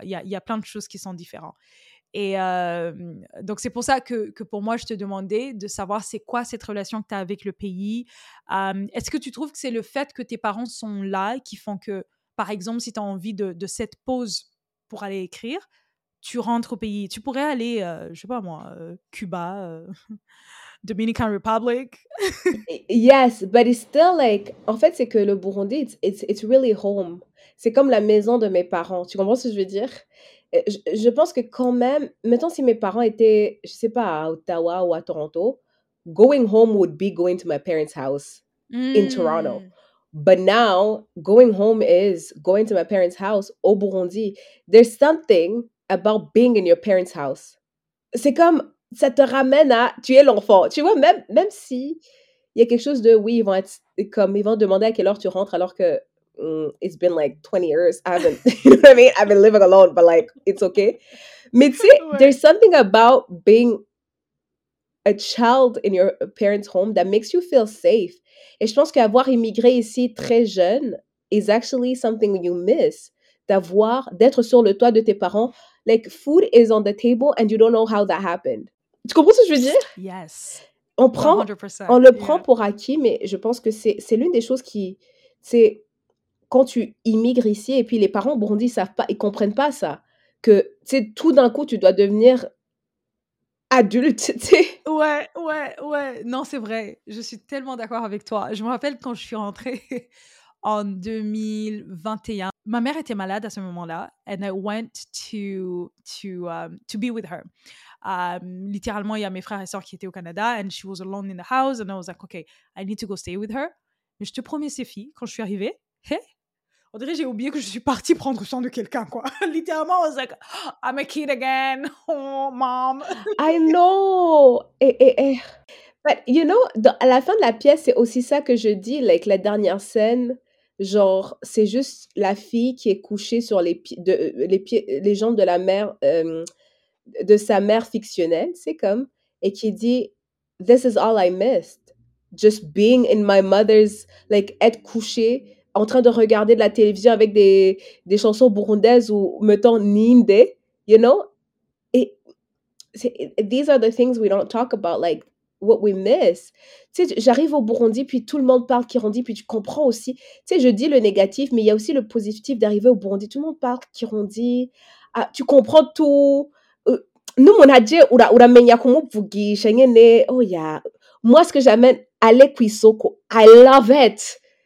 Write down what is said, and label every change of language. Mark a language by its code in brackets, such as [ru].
[fr] Il y a plein de choses qui sont différentes. Et donc c'est pour ça que pour moi je te demandais de savoir c'est quoi cette relation que t'as avec le pays. Est-ce que tu trouves que c'est le fait que tes parents sont là qui font que, par exemple, si t'as envie de cette pause pour aller écrire, tu rentres au pays, tu pourrais aller, je sais pas moi, Cuba, Dominican Republic. [en] Yes, but it's still like, [fr] en fait, c'est que le Burundi, [en] it's really home. [fr] C'est comme la maison de mes parents. Tu comprends ce que je veux dire? Je pense que quand même, mettons si mes parents étaient, je sais pas, à Ottawa ou à Toronto, [en] going home would be going to my parents' house in Toronto. But now, going home is going to my parents' house [fr] au Burundi. [en] There's something about being in your parents' house. [fr] C'est comme, ça te ramène à, tu es l'enfant. Tu vois, même si il y a quelque chose de, oui, ils vont demander à quelle heure tu rentres, alors que [en] it's been like 20 years. I've been living alone, but like, it's okay. [fr] Mais tu sais, [en] there's something about being a child in your parents' home that makes you feel safe. [fr] Et je pense qu'avoir immigré ici très jeune [en] is actually something you miss. [fr] D'être sur le toit de tes parents, [en] like food is on the table and you don't know how that happened. [fr] Tu comprends ce que je veux dire? [en] Yes. [fr] On le prend pour acquis, mais je pense que c'est l'une des choses qui, c'est quand tu immigres ici et puis les parents burundis savent pas, ils comprennent pas ça, que c'est tout d'un coup tu dois devenir adulte, tu sais. Ouais. Non, c'est vrai. Je suis tellement d'accord avec toi. Je me rappelle quand je suis rentrée en 2021. Ma mère était malade à ce moment-là, [en] and I went to be with her. [fr] Littéralement, il y a mes frères et sœurs qui étaient au Canada, [en] and she was alone in the house, and I was like, okay, I need to go stay with her. [fr] Mais je te promets, Sophie, quand je suis arrivée, hey, On dirait que j'ai oublié que je suis partie prendre soin de quelqu'un, quoi. [en] Littéralement, I was like, oh, I'm a kid again. Oh, mom. I know. But, you know, [fr] à la fin de la pièce, c'est aussi ça que je dis, [en] like, [fr] la dernière scène. Genre, c'est juste la fille qui est couchée sur les jambes de la mère, de sa mère fictionnelle, c'est comme, et qui dit, [en] this is all I missed. Just being in my mother's, like, [fr] être couchée, en train de regarder de la télévision avec des chansons burundaises ou, mettons, Ninde, [en] you know? These are the things we don't talk about, like, what we miss. [fr] Tu sais, j'arrive au Burundi, puis tout le monde parle Kirundi, puis tu comprends aussi. Tu sais, je dis le négatif, mais il y a aussi le positif d'arriver au Burundi. Tout le monde parle Kirundi. Ah, tu comprends tout. Nous, mon adje, [rn] uramenya kumu pugi, shengene. [en] Oh, yeah. [fr] Moi, ce que j'amène, aller kuisoko. [en] I love it.